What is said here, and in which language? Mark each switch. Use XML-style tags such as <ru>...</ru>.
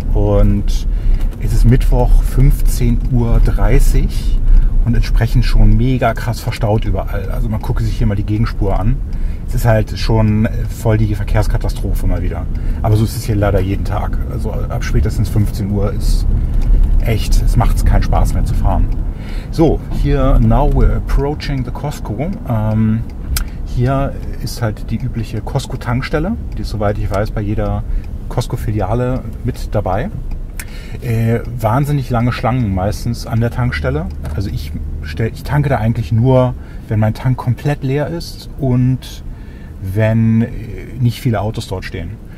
<de>Und es ist Mittwoch, 15.30 Uhr und entsprechend schon mega krass verstaut überall. Also man gucke sich hier mal die Gegenspur an. Es ist halt schon voll die Verkehrskatastrophe mal wieder. Aber so ist es hier leider jeden Tag. Also ab spätestens 15 Uhr ist echt, es macht keinen Spaß mehr zu fahren.</de> <en>So, hier, now we're approaching the Costco.</en> <de>Hier ist halt die übliche Costco-Tankstelle. Die ist, soweit ich weiß, bei jeder Costco-Filiale mit dabei. Wahnsinnig lange Schlangen meistens an der Tankstelle. Also ich tanke da eigentlich nur, wenn mein Tank komplett leer ist und wenn nicht viele Autos dort stehen.</de>